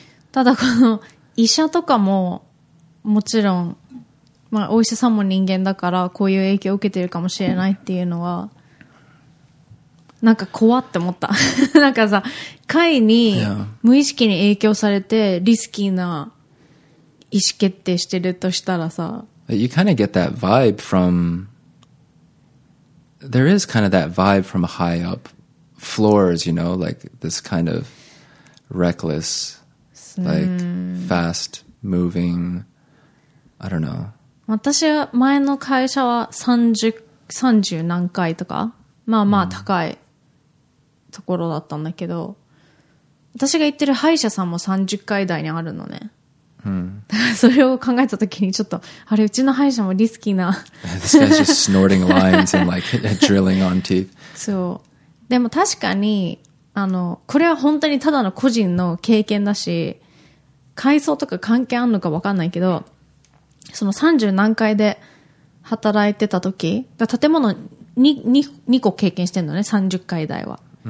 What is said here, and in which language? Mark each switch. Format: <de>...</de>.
<ja>ただこの医者とかももちろん、まあお医者さんも人間だからこういう影響を受けてるかもしれないっていうのは、なんか怖って思った。なんかさ、会に無意識に影響されてリスキーな意思決定してるとしたらさ、</ja> <en>You kind of get that vibe from. There is kind of that vibe from high up floors, you know, like this kind of reckless, like fast moving. I don't know.</en> <ja>私は前の会社は30何階とか、まあまあ高いところだったんだけど、私が行ってる歯医者さんも30階台にあるのね。それを考えたときにちょっとあれうちの歯医者もリスキーな。</ja> <en>This guy's just snorting lines and like drilling on teeth.</en> <ja>そう。でも確かにあのこれは本当にただの個人の経験だし、階層とか関係あんのか分かんないけど、その30何階で働いてたとき、建物 2個経験してんのね、30階台は。</ja>